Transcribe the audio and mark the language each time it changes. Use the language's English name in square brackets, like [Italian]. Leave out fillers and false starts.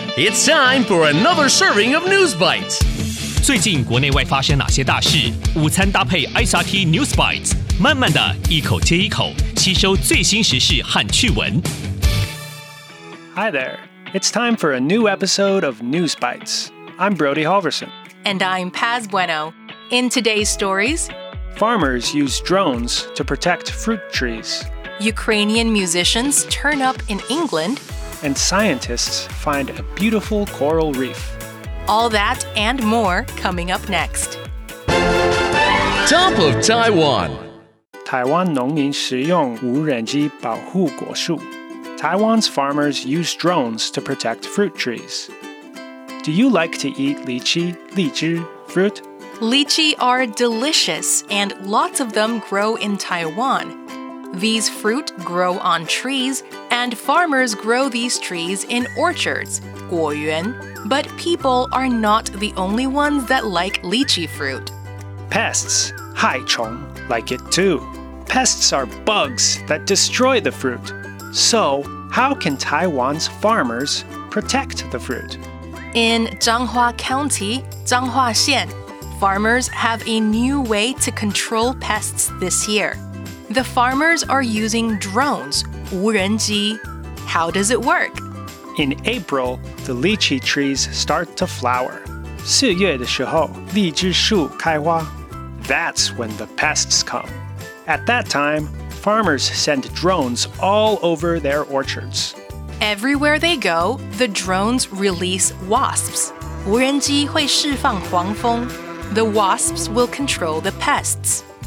[English] It's time for another serving of News Bites. [Chinese] 最近国内外发生哪些大事？午餐搭配 SRT News Bites， 慢慢的一口接一口，吸收最新时事和趣闻。 [English] Hi there. It's time for a new episode of News Bites. I'm Brody Halverson. And I'm Paz Bueno. In today's stories, farmers use drones to protect fruit trees. Ukrainian musicians turn up in England. And scientists find a beautiful coral reef. All that and more coming up next. Top of Taiwan. [Chinese] 台湾农民使用无人机保护果树。 [English] Taiwan's farmers use drones to protect fruit trees. Do you like to eat lychee, 荔枝, fruit? Lychee are delicious, and lots of them grow in Taiwan. These fruit grow on trees, and farmers grow these trees in orchards, 果园. But people are not the only ones that like lychee fruit. Pests, 害虫, like it too. Pests are bugs that destroy the fruit. So, how can Taiwan's farmers protect the fruit? In Changhua County, Changhua 县, farmers have a new way to control pests this year. The farmers are using drones, 无人机.How does it work? In April, the lychee trees start to flower. [Chinese] 四月的时候,荔枝树开花. [English] That's when the pests come. At that time,Farmers send drones all over their orchards. Everywhere they go, the drones release wasps. [Chinese] 无人机会释放黄蜂. [English] The wasps will control the pests.